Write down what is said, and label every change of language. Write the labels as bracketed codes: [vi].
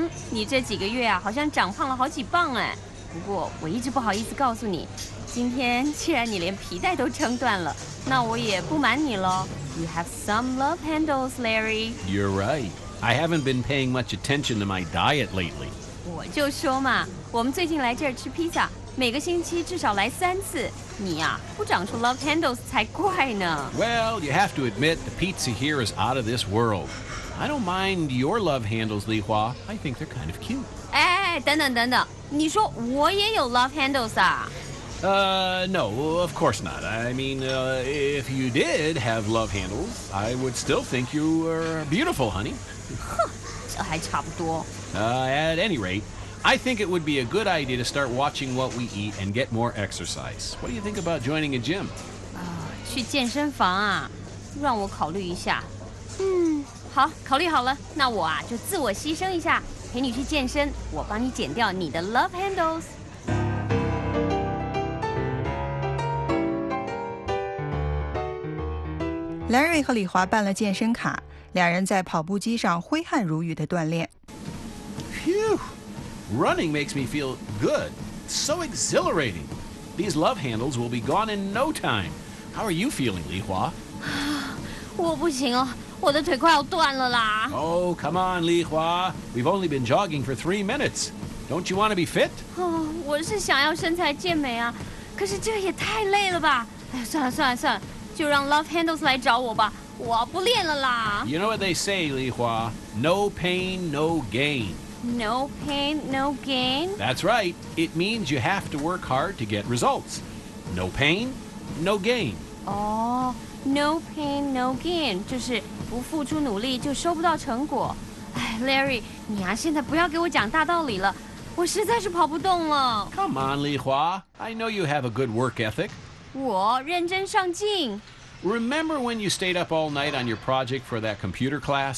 [zh] 你这几个月啊好像长胖了好几磅哎。不过我一直不好意思告诉你，今天既然你连皮带都撑断了，那我也不瞒你了。 [en] You have some love handles, Larry. You're right. I haven't been paying much attention to my diet lately. [zh] 我就说嘛，我们最近来这儿吃披萨，每个星期至少来三次。你呀，不长出 love handles 才怪呢。 [en] Well, you have to admit, the pizza here is out of this world. I don't mind your love handles, Li Hua. I think they're kind of cute. [zh] 哎，等等等等，你说我也有 love handles 啊？ [en] No, of course not. I mean, if you did have love handles, I would still think you were beautiful, honey. [zh] 这还差不多。 [en] At any rate, I think it would be a good idea to start watching what we eat and get more exercise. What do you think about joining a gym? [zh] 去健身房啊，让我考虑一下。好，考虑好了，那我啊，就自我牺牲一下，陪你去健身，我帮你减掉你的 love handles。 Larry 和李华办了健身卡，两人在跑步机上挥汗如雨地锻炼。 [en] Phew! Running makes me feel good. So exhilarating. These love handles will be gone in no time. How are you feeling, Li Hua? [zh] 我不行了，我的腿快要断了啦。 [en] Oh, come on, Li Hua. We've only been jogging for 3 minutes. Don't you want to be fit? [zh] Oh, 我是想要身材健美啊，可是这也太累了吧。算了算了算了，就让 Love Handles 来找我吧，我不练了啦。You [en] know what they say, Li Hua? No pain, no gain. No pain, no gain? That's right. It means you have to work hard to get results. No pain, no gain. Oh, no pain, no gain. [zh] 就是不付出努力就收不到成果。Larry, 你啊，现在不要给我讲大道理了。我实在是跑不动了。 [en] Come on, Li Hua. I know you have a good work ethic. [zh] 我认真上进。 [en] Remember when you stayed up all night on your project for that computer class?